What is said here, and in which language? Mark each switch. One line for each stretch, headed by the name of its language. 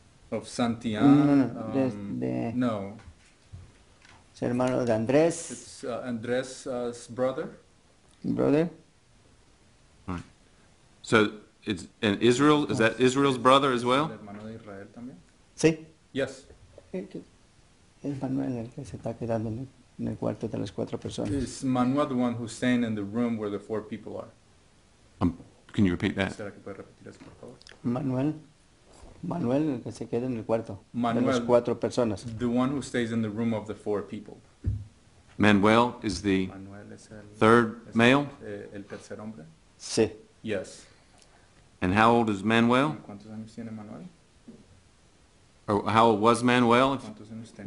English: Of Santillan?
Spanish: No, no, de... No. Es hermano de Andrés.
English: It's Andrés's brother. Brother. Right. So, it's, and Israel, is that Israel's brother as well?
Spanish: Hermano de Israel también. Sí.
English: Yes.
Spanish: Es Manuel el que se está quedando en el cuarto de las cuatro personas.
English: Is Manuel the one who's staying in the room where the four people are? Can you repeat that?
Spanish: ¿Será que puede repetir eso, por favor? Manuel. Manuel, el que se queda en el cuarto de las cuatro personas.
English: The one who stays in the room of the four people. Manuel is the
Spanish: Manuel es el,
English: third
Spanish: es el,
English: male?
Spanish: El tercer hombre. Sí.
English: Yes. And how old is Manuel?
Spanish: ¿Cuántos años tiene Manuel?
English: Or how old was Manuel if,
Spanish: ¿cuántos años tiene